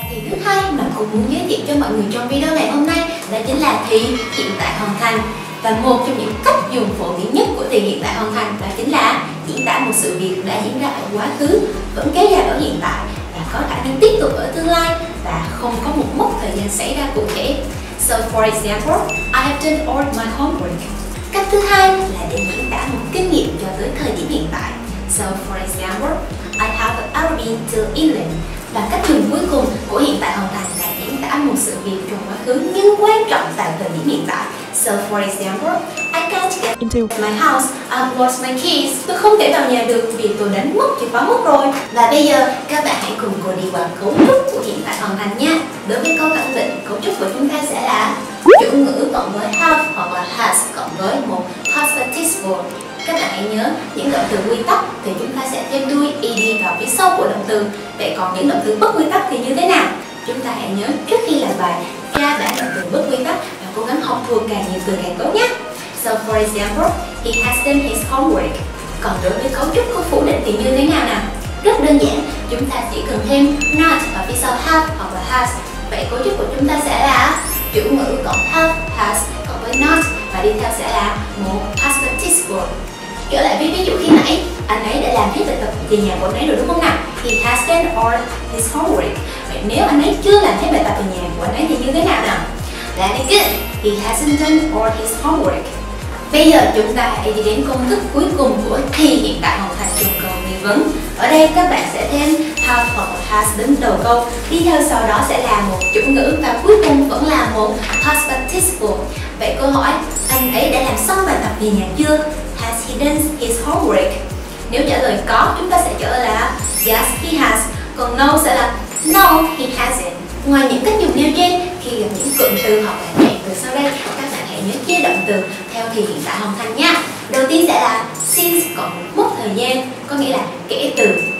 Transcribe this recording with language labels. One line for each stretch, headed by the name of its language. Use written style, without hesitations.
Vietnamese: Thứ hai mà cô muốn giới thiệu cho mọi người trong video ngày hôm nay đó chính là thì hiện tại hoàn thành. Và một trong những cách dùng phổ biến nhất của thì hiện tại hoàn thành đó chính là diễn tả một sự việc đã diễn ra ở quá khứ, vẫn kéo dài ở hiện tại và có khả năng tiếp tục ở tương lai và không có một mốc thời gian xảy ra cụ thể.
English: So for example, I have done all my homework.
Vietnamese: Cách thứ hai là để diễn tả một kinh nghiệm cho tới thời điểm hiện tại.
English: So for example, I have ever been to England.
Vietnamese: Và cách dùng cuối cùng của hiện tại hoàn thành là diễn tả một sự việc trong quá khứ nhưng quan trọng tại thời điểm hiện tại.
English: So for example, I can't get into my house, I've lost my keys.
Vietnamese: Tôi không thể vào nhà được vì tôi đánh mất chìa khóa mất rồi. Và bây giờ các bạn hãy cùng cô đi qua cấu trúc của hiện tại hoàn thành nha. Đối với câu khẳng định, cấu trúc của chúng ta sẽ là chủ ngữ cộng với have hoặc là has cộng với một past participle. Các bạn hãy nhớ, những động từ quy tắc thì chúng ta sẽ thêm đuôi ed vào phía sau của động từ. Vậy còn những động từ bất quy tắc thì như thế nào? Chúng ta hãy nhớ trước khi làm bài tra bản động từ bất quy tắc và cố gắng học thuộc càng nhiều từ càng tốt nhé.
English: So for example, he has done his homework.
Vietnamese: Còn đối với cấu trúc của phủ định thì như thế nào nào? Rất đơn giản, chúng ta chỉ cần thêm not vào phía sau have hoặc là has. Vậy cấu trúc của chúng ta sẽ là chủ ngữ cộng have, has cộng với not và đi theo sẽ là một past participle. Trở lại với ví dụ khi nãy, anh ấy đã làm hết bài tập về nhà của anh ấy rồi đúng không nào?
English: He has done all his homework.
Vietnamese: Vậy nếu anh ấy chưa làm hết bài tập về nhà của anh ấy thì như thế nào nào?
English: That is good. He hasn't done all his homework.
Vietnamese: Bây giờ chúng ta hãy đi đến công thức cuối cùng của thì hiện tại hoàn thành trong câu nghi vấn. Ở đây các bạn sẽ thêm have hoặc has đứng đầu câu. Đi theo sau đó sẽ là một chủ ngữ và cuối cùng vẫn là một past participle. Vậy câu hỏi, anh ấy đã làm xong bài tập về nhà chưa?
English: Has he done his homework?
Vietnamese: Nếu trả lời có, chúng ta sẽ trả lời là
English: yes, he has.
Vietnamese: Còn no sẽ là
English: no, he hasn't.
Vietnamese: Ngoài những cách dùng nêu trên, khi gặp những cụm từ hoặc là kèm từ sau đây, các bạn hãy nhớ chia động từ theo thì hiện tại hoàn thành nha. Đầu tiên sẽ là since cộng mốc thời gian, có nghĩa là kể từ.